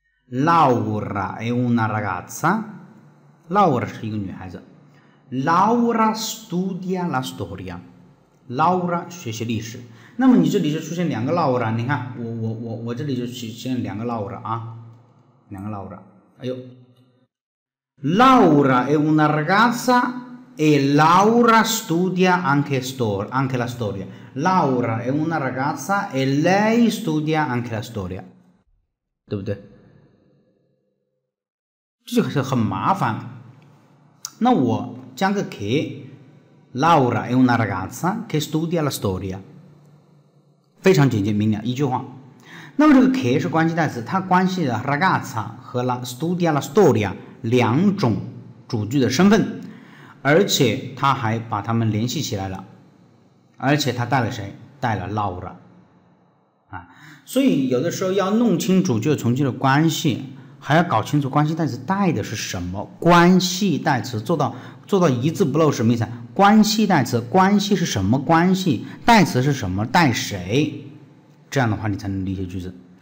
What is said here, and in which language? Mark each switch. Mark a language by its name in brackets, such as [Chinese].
[Italian] Laura è una ragazza. [Chinese] Laura 是一个女孩子。 [Italian] Laura studia la storia。 Laura [Chinese] 学习历史。那么你这里就出现两个 Laura， 你看我这里就出现两个 Laura 啊，两个 Laura。 [Italian] 哎呦， Laura è una ragazza e Laura studia anche la storia。 Laura è una ragazza e lei studia anche la storia， [Chinese] 对不对？这个是很麻烦。那我加个 che， [Italian] Laura è una ragazza che studia la storia， [Chinese] 非常简洁明了，一句话。那么这个 che 是关系代词，它关系的 ragazza 和 la studia la storia 两种主句的身份，而且它还把它们联系起来了，而且它带了谁，带了 Laura、啊、所以有的时候要弄清主句从句的关系，还要搞清楚关系代词带的是什么，关系代词做到一字不漏什么意思，关系代词关系是什么，关系代词是什么，带谁，这样的话你才能理解句子。